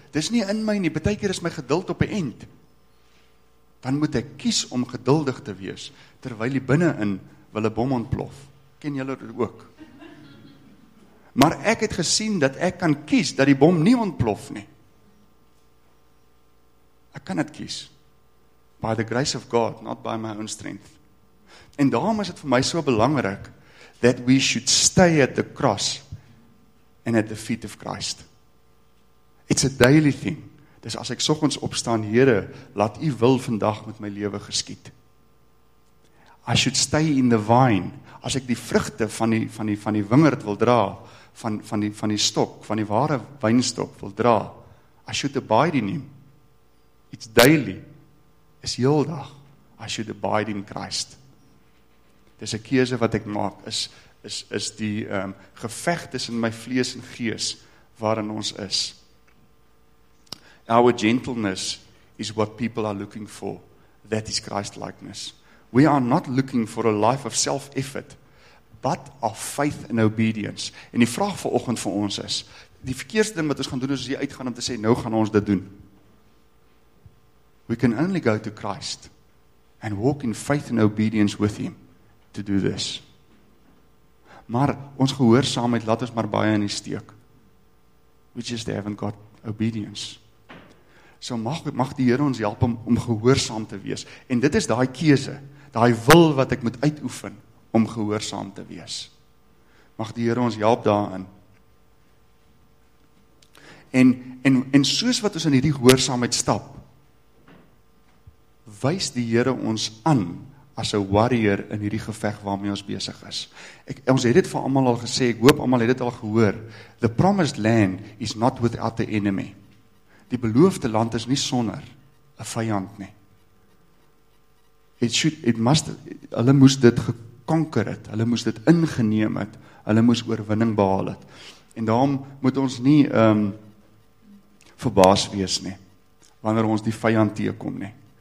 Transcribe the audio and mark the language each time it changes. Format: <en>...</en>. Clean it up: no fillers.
<af>dis nie in my nie, baie keer is my geduld op 'n end. Dan moet ek kies om geduldig te wees, terwyl die binne-in wil 'n bom ontplof. Ken julle dit ook? Maar ek het gesien dat ek kan kies dat die bom nie ontplof nie. Ek kan dit kies.</af> <en>By the grace of God, not by my own strength.</en> <af>En daarom is dit vir my so belangrik</af> <en>that we should stay at the cross and at the feet of Christ. It's a daily thing.</en> <af>Dis as ek soggens opstaan, Here, laat U wil vandag met my lewe geskied.</af> <en>I should stay in the vine.</en> <af>As ek die vrugte van die wingerd wil dra, van die stok, van die ware wynstok wil dra,</af> <en>I should abide in Him. It's daily.</en> <af>Is heeldag.</af> <en>I should abide in Christ.</en> <af>Dis 'n keuse wat ek maak, is die geveg tussen my vlees en gees waarin ons is.</af> <en>Our gentleness is what people are looking for. That is Christ-likeness. We are not looking for a life of self-effort, but of faith and obedience.</en> <af>En die vraag vanoggend vir ons is, die verkeerste ding wat ons gaan doen is hier uitgaan om te sê, nou gaan ons dit doen.</af> <en>We can only go to Christ and walk in faith and obedience with Him to do this.</en> <af>Maar ons gehoorsaamheid laat ons maar baie in die steek.</af> <en>We just haven't got obedience.</en> <af>So mag die Here ons help om gehoorsaam te wees. En dit is daai keuse, daai wil wat ek moet uitoefen om gehoorsaam te wees. Mag die Here ons help daarin. En soos wat ons in hierdie gehoorsaamheid stap, wys die Here ons aan as 'n warrior in hierdie geveg waarmee ons besig is. Ons het dit vir almal al gesê, ek hoop almal het dit al gehoor.</af> <en>The promised land is not without the enemy.</en> <af>Die beloofde land is nie sonder 'n vyand nie. Hulle moes dit gekonker het, hulle moes dit ingeneem het, hulle moes oorwinning behaal het. En daarom moet ons nie verbaas wees nie, wanneer ons die vyand teekom nie.</af>